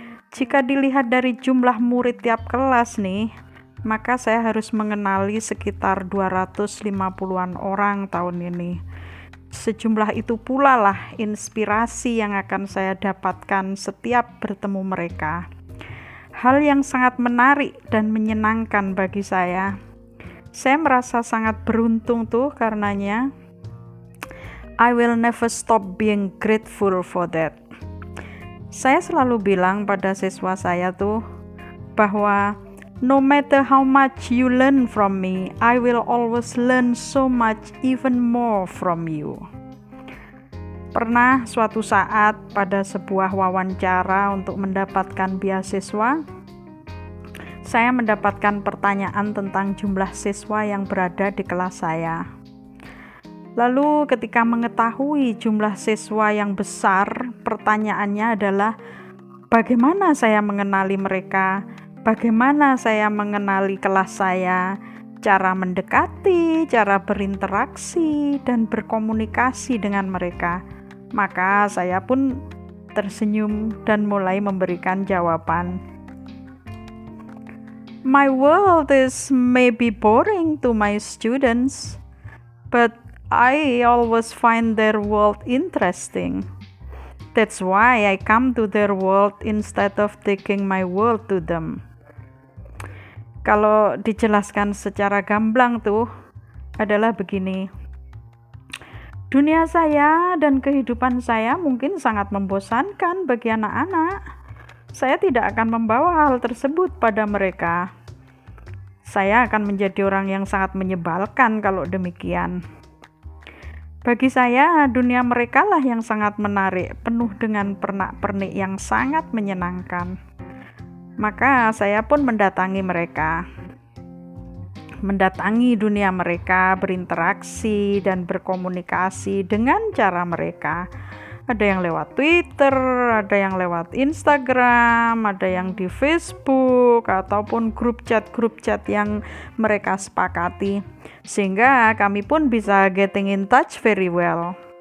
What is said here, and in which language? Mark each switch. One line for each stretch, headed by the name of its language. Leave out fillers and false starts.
Indonesian: Jika dilihat dari jumlah murid tiap kelas nih, maka saya harus mengenali sekitar 250-an orang tahun ini. Sejumlah itu pula lah inspirasi yang akan saya dapatkan setiap bertemu mereka. Hal yang sangat menarik dan menyenangkan bagi saya. Saya merasa sangat beruntung tuh karenanya.
English: I will never stop being grateful for that.
Indonesian: Saya selalu bilang pada siswa saya tuh bahwa
English: no matter how much you learn from me, I will always learn so much even more from you.
Indonesian: Pernah suatu saat pada sebuah wawancara untuk mendapatkan beasiswa, saya mendapatkan pertanyaan tentang jumlah siswa yang berada di kelas saya. Lalu ketika mengetahui jumlah siswa yang besar, pertanyaannya adalah bagaimana saya mengenali mereka? Bagaimana saya mengenali kelas saya, cara mendekati, cara berinteraksi, dan berkomunikasi dengan mereka. Maka saya pun tersenyum dan mulai memberikan jawaban.
English: My world is maybe boring to my students, but I always find their world interesting. That's why I come to their world instead of taking my world to them.
Indonesian: Kalau dijelaskan secara gamblang tuh adalah begini. Dunia saya dan kehidupan saya mungkin sangat membosankan bagi anak-anak. Saya tidak akan membawa hal tersebut pada mereka. Saya akan menjadi orang yang sangat menyebalkan kalau demikian. Bagi saya, dunia mereka lah yang sangat menarik, penuh dengan pernak-pernik yang sangat menyenangkan. Maka saya pun mendatangi mereka. Mendatangi dunia mereka, berinteraksi dan berkomunikasi dengan cara mereka. Ada yang lewat Twitter, ada yang lewat Instagram, ada yang di Facebook, ataupun grup chat yang mereka sepakati. Sehingga kami pun bisa
English: getting in touch very well.